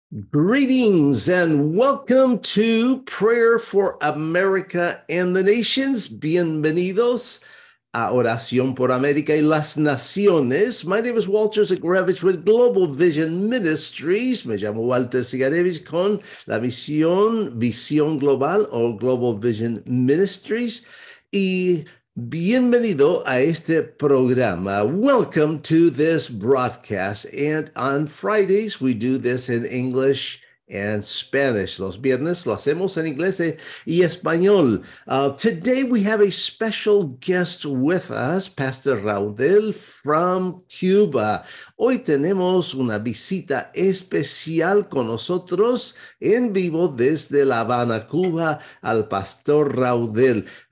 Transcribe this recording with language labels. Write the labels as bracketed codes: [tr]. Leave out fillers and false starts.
[en] Greetings and welcome to Prayer for America and the Nations. [es] Bienvenidos a Oración por América y las Naciones. [en] My name is Walter Zygarewicz with Global Vision Ministries. [es] Me llamo Walter Zygarewicz con la misión, Visión Global o Global Vision Ministries. Y bienvenido a este programa. [en] Welcome to this broadcast. And on Fridays, we do this in English and Spanish. [es] Los viernes lo hacemos en inglés y español. [en] Today, we have a special guest with us, Pastor Raudel from Cuba. [es] Hoy tenemos una visita especial con nosotros en vivo desde La Habana, Cuba, al Pastor Raudel.